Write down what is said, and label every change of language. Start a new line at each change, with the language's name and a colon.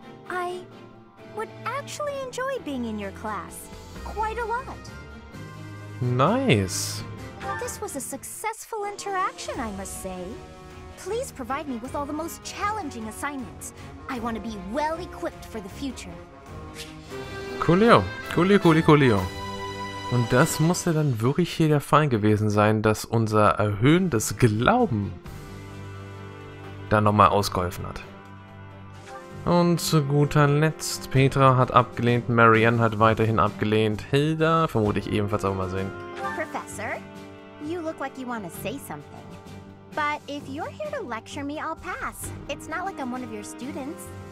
English: I would actually enjoy being in your class. Quite a lot. Nice. This was a successful interaction, I must say. Please provide me with all the most challenging assignments. I want to be well equipped for the future. Coolio. Coolio, coolio, coolio.
German: Und das muss ja dann wirklich hier der Fall gewesen sein, dass unser erhöhendes Glauben dann nochmal ausgeholfen hat. Und zu guter Letzt, Petra hat abgelehnt, Marianne hat weiterhin abgelehnt, Hilda vermute ich ebenfalls auch mal sehen.
English: Professor, you look like you want to say something. But if you're here to lecture me, I'll pass. It's not like I'm one of your students.